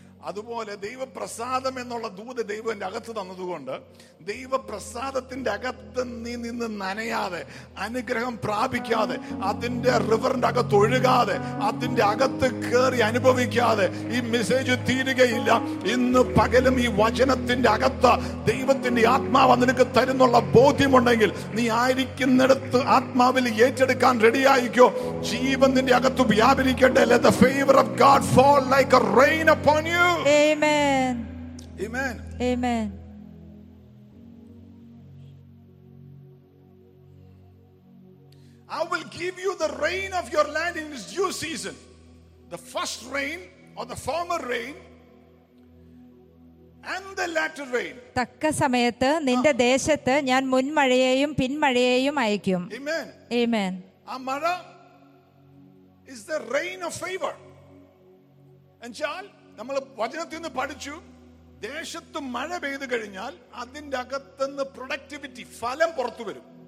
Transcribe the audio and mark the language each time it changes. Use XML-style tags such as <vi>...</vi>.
<ml>അതുപോലെ ദൈവപ്രസാദം എന്നുള്ള ദൂത് ദൈവന്റെ അകത്ത് തന്നതുകൊണ്ട് ദൈവപ്രസാദത്തിന്റെ അകത്ത് നീ നിന്ന് നനയാതെ, അനുഗ്രഹം പ്രാപിക്കാതെ, അതിന്റെ റിവറിന്റെ അകത്ത് ഒഴുകാതെ, അതിന്റെ അകത്ത് കയറി അനുഭവിക്കാതെ ഈ മെസ്സേജ് തീരുകയില്ല. ഇന്ന് പകലും ഈ വചനത്തിന്റെ അകത്ത് ദൈവത്തിന്റെ ആത്മാവ് നിനക്ക് തരുന്നുള്ള ബോധ്യമുണ്ടെങ്കിൽ നീ ആയിരിക്കുന്നിടത്ത് ആത്മാവിൽ ഏറ്റെടുക്കാൻ റെഡിയായിക്കോ. ജീവന്റെ അകത്ത് വ്യാപരിക്കട്ടെ.</ml> <en>Let the favor of God fall like a rain upon you. Amen. Amen. Amen. I will give you the rain of your land in its due season. The first rain or the former rain and the latter rain.</en> <ml>തക്ക സമയത്ത് നിന്റെ ദേശത്ത് ഞാൻ മുൻമഴയേയും പിൻമഴയേയും അയക്കും.</ml> <en>Amen. Amen.</en> <ml>ആ മഴ</ml> <en>is the rain of favor.</en> <ml>എന്നാൽ നമ്മൾ വചനത്തിൽ നിന്ന് പഠിച്ചു, ദേശത്ത് മഴ പെയ്തു കഴിഞ്ഞാൽ അതിന്റെ അകത്തുനിന്ന് പ്രൊഡക്ടിവിറ്റി, ഫലം പുറത്തു വരും.</ml>